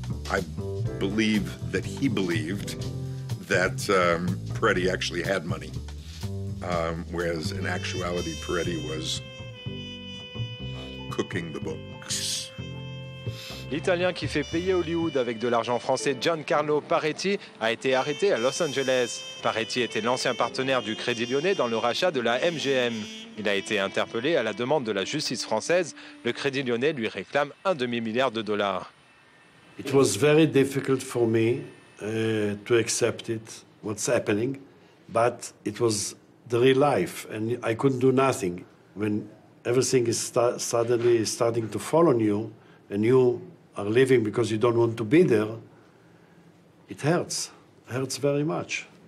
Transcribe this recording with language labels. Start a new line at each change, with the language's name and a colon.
English: I believe that he believed that Paretti actually had money, whereas in actuality Paretti was cooking the books.
French: L'Italien qui fait payer Hollywood avec de l'argent français Giancarlo Paretti a été arrêté à Los Angeles. Paretti était l'ancien partenaire du Crédit Lyonnais dans le rachat de la MGM. Il a été interpellé à la demande de la justice française. Le Crédit Lyonnais lui réclame un demi-milliard de dollars.
English: It was very difficult for me to accept it, what's happening, but it was the real life and I couldn't do nothing when everything is suddenly starting to fall on you, and you are leaving because you don't want to be there, it hurts. It hurts very much.